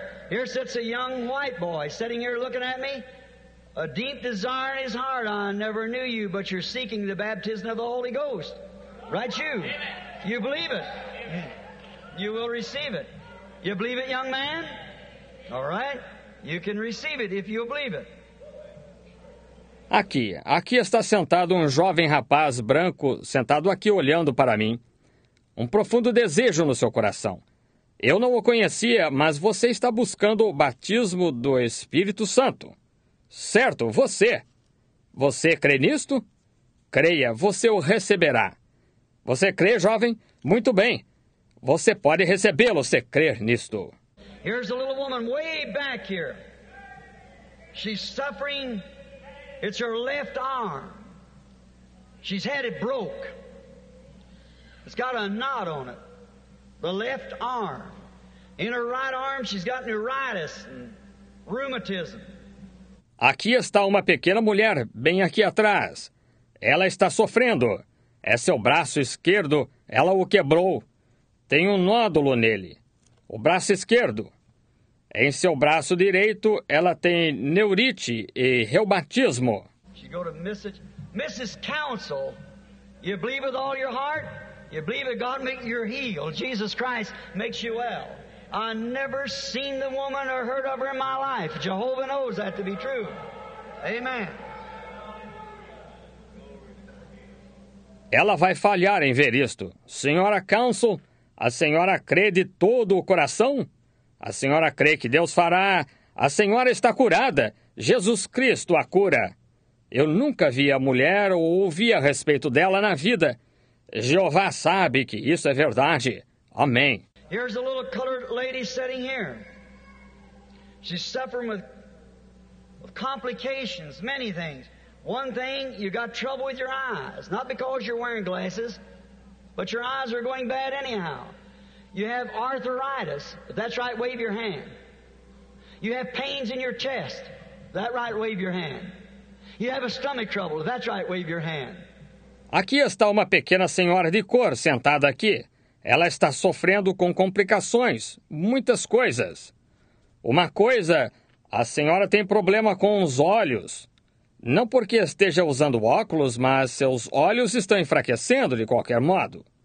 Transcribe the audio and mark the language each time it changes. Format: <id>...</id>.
<en>Here sits a young white boy sitting here looking at me. A deep desire in his heart, I never knew you, but you're seeking the baptism of the Holy Ghost. Right, you? Amen. You believe it? Amen. You will receive it. You believe it, young man? All right. You can receive it if you believe it.</en> <pt>Aqui está sentado um jovem rapaz branco, sentado aqui olhando para mim. Um profundo desejo no seu coração. Eu não o conhecia, mas você está buscando o batismo do Espírito Santo. Certo, você. Você crê nisto? Creia, você o receberá. Você crê, jovem? Muito bem. Você pode recebê-lo se crer nisto.</pt> <en>Here's a little woman way back here. She's suffering. It's her left arm. She's had it broke. It's got a knot on it. The left arm. In her right arm, she's got neuritis and rheumatism.</en> <pt>Aqui está uma pequena mulher, bem aqui atrás. Ela está sofrendo. É seu braço esquerdo. Ela o quebrou. Tem um nódulo nele. O braço esquerdo. Em seu braço direito, ela tem neurite e reumatismo.</pt> <en>She's going to Mrs. Council, you believe with all your heart? You believe that God makes you healed? Jesus Christ makes you well? I never seen the woman or heard of her in my life. Jehovah knows that to be true. Amen.</en> <pt>Ela vai falhar em ver isto. Senhora Council, a senhora crê de todo o coração? A senhora crê que Deus fará? A senhora está curada. Jesus Cristo a cura. Eu nunca vi a mulher ou ouvi a respeito dela na vida. Jeová sabe que isso é verdade. Amém.</pt> <en>Here's a little colored lady sitting here. She's suffering with complications, many things. One thing, you got trouble with your eyes. Not because you're wearing glasses, but your eyes are going bad anyhow. You have arthritis. If that's right, wave your hand. You have pains in your chest. If that's right, wave your hand. You have a stomach trouble. If that's right, wave your hand.</en> <pt>Aqui está uma pequena senhora de cor sentada aqui. Ela está sofrendo com complicações, muitas coisas. Uma coisa, a senhora tem problema com os olhos. Não porque esteja usando óculos, mas seus olhos estão enfraquecendo de qualquer modo.</pt>